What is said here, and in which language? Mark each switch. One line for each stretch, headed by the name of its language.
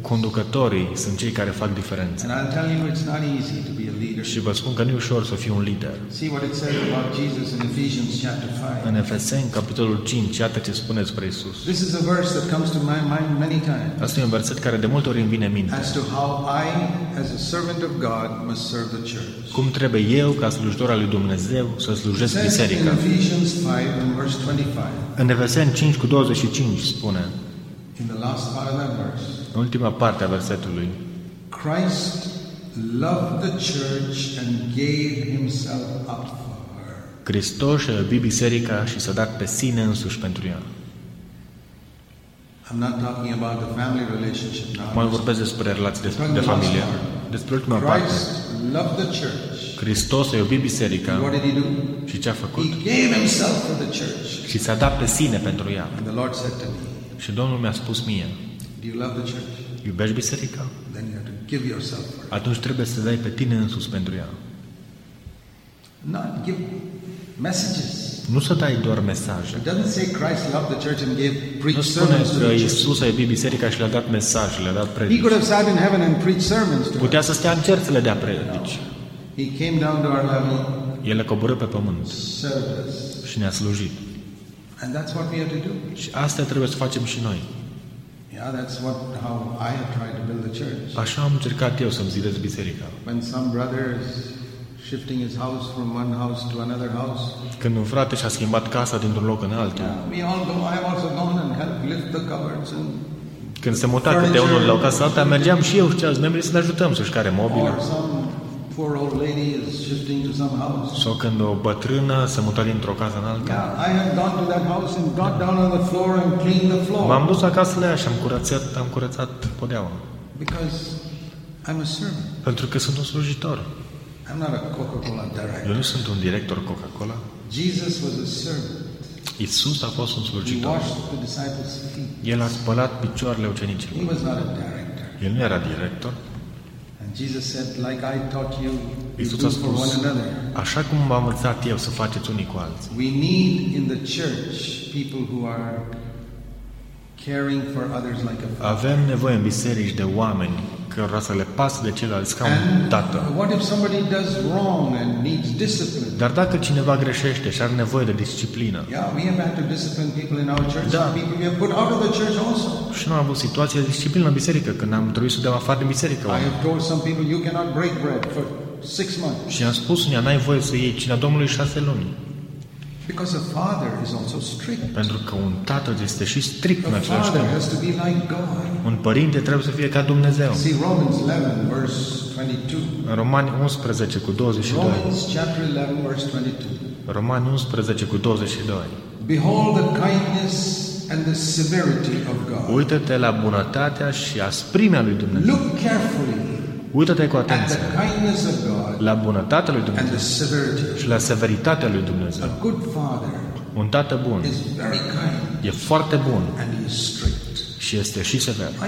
Romanian: Conducătorii sunt cei care fac diferența.
English: And I'll tell you, it's not easy to be a leader.
Romanian: Și vă spun că nu e ușor să fii un lider.
English: See what it says about Jesus in Ephesians chapter 5.
Romanian: În Efeseni, capitolul 5, iată ce spune despre Isus.
English: This is a verse that comes to my mind many times.
Romanian: Asta e un verset care de multe ori îmi vine în minte.
English: As to how I, as a servant of God, must serve the church.
Romanian: Cum trebuie eu, ca slujitor al lui Dumnezeu, să slujesc biserica.
English: In Ephesians 5, in verse 25.
Romanian: În Efeseni 5 cu 25 spune.
English: In the last part of that verse,
Romanian: în ultima parte a versetului,
English: Christ loved the church and gave himself up for her.
Romanian: Hristos a iubit biserica și s-a dat pe sine însuși pentru ea.
English: I'm not talking about the family relationship now.
Romanian: Mai vorbesc despre relații de familie. Despre ultima
English: Christ
Romanian: parte.
English: Loved the church.
Romanian: Hristos a iubit biserica.
English: What did he do?
Romanian: Și ce a făcut?
English: He gave himself for the church.
Romanian: Și s-a dat pe sine pentru ea.
English: And the Lord said to me,
Romanian: și Domnul mi-a spus mie,
English: do you love the church?
Romanian: Iubești biserica?
English: Then you have to give yourself for it.
Romanian: Atunci trebuie să dai pe tine însuți pentru ea.
English: Not give messages.
Romanian: Nu să dai doar mesaje.
English: It doesn't say Christ loved the church and gave preached sermons to the church.
Romanian: Nu spune că Iisus a iubit biserica și le-a dat mesaje, le-a dat predici.
English: He could have sat in heaven and preached sermons to her.
Romanian: Putea să stea în cer să le dea predici.
English: He came down to our level.
Romanian: El a coborât pe pământ.
English: Service.
Romanian: Și ne-a slujit.
English: And that's what we have to do.
Romanian: Și asta trebuie să facem și noi.
English: Yeah, that's what how I have tried to build the church.
Romanian: Așa am încercat eu să-mi zidesc biserica.
English: When some brother is shifting his house from one house to another house.
Romanian: Când un frate și-a schimbat casa dintr-un loc în altul.
English: Yeah, we all go. I have also gone and helped lift the cupboards and.
Romanian: Când se muta câte unul la o casă alta, mergeam și eu și ceilalți membri să le ajutăm să-și care mobilă.
English: Poor old lady is shifting to some house.
Romanian: Sau când o bătrână se mută dintr-o casă în alta.
English: Yeah, I have gone to that house and got down on the floor and cleaned the floor.
Romanian: M-am dus acasă la ea și am curățat podeaua.
English: Because I'm a servant.
Romanian: Pentru că sunt un slujitor.
English: I'm not a Coca-Cola director.
Romanian: Eu nu sunt un director Coca-Cola.
English: Jesus was a servant.
Romanian: Iisus a fost un slujitor.
English: He washed the disciples' feet.
Romanian: El a spălat picioarele ucenicilor.
English: He was not a director.
Romanian: El nu era director.
English: Jesus said, like I taught you, you do for one another.
Romanian: Așa cum v-am învățat eu să faceți unii cu alții.
English: We need in the church people who are caring for others like a father.
Romanian: Avem nevoie în biserici de oameni care să le pasă de ceilalți ca un tată.
English: What if somebody does wrong and needs discipline?
Romanian: Dar dacă cineva greșește și are nevoie de disciplină?
English: Yeah, we have had to discipline people in our church.
Romanian: Da.
English: People we have put out of the church also.
Romanian: Și noi am avut situații de disciplină în biserică, când am trebuit să dăm afară din biserică.
English: I have told some people you cannot break bread for 6 months.
Romanian: Și am spus unii, n-ai voie să iei cina Domnului 6 luni.
English: Because a father is also strict.
Romanian: Pentru că un tată este și strict în același timp.
English: Has to be like God.
Romanian: Un părinte trebuie să fie ca Dumnezeu.
English: See Romans 11 verse 22.
Romanian: Romani 11 cu 22.
English: Romans chapter 11 verse 22.
Romanian: Romani 11 cu 22.
English: Behold the kindness and the severity of God.
Romanian: Uită-te la bunătatea și asprimea lui Dumnezeu.
English: Look carefully.
Romanian: Uită-te cu atenție la bunătatea lui Dumnezeu și la severitatea lui Dumnezeu. Un tată bun e foarte bun și este și sever.